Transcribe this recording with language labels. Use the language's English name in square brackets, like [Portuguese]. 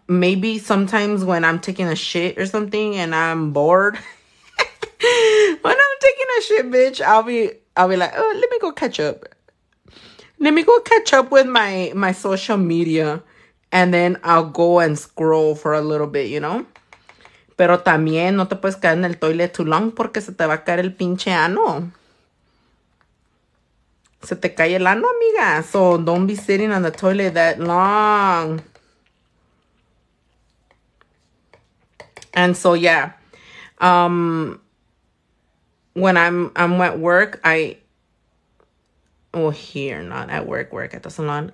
[English] Maybe sometimes when I'm taking a shit or something and I'm bored. When I'm taking a shit, bitch, I'll be like, oh, let me go catch up. Let me go catch up with my social media. And then I'll go and scroll for a little bit, you know? [Spanish] Pero también no te puedes quedar en el toilet [English] too long [Spanish] porque se te va a caer el pinche ano. Se te cae el ano, amiga. [English] So don't be sitting on the toilet that long. And so, yeah. When I'm at work, not at work, at the salon.